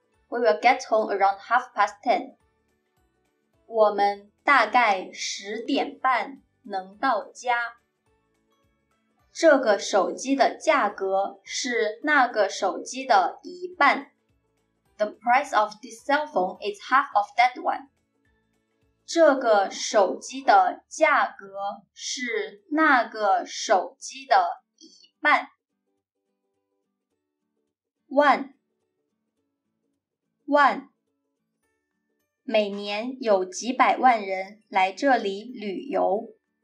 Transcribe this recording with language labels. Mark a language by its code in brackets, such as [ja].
[en] We will get home around 10:30. [zh] 我们大概十点半能到家。这个手机的价格是那个手机的一半。 [en] The price of this cell phone is half of that one. [zh] 这个手机的价格是那个手机的一半。 [en] One. [zh] 每年有几百万人来这里旅游。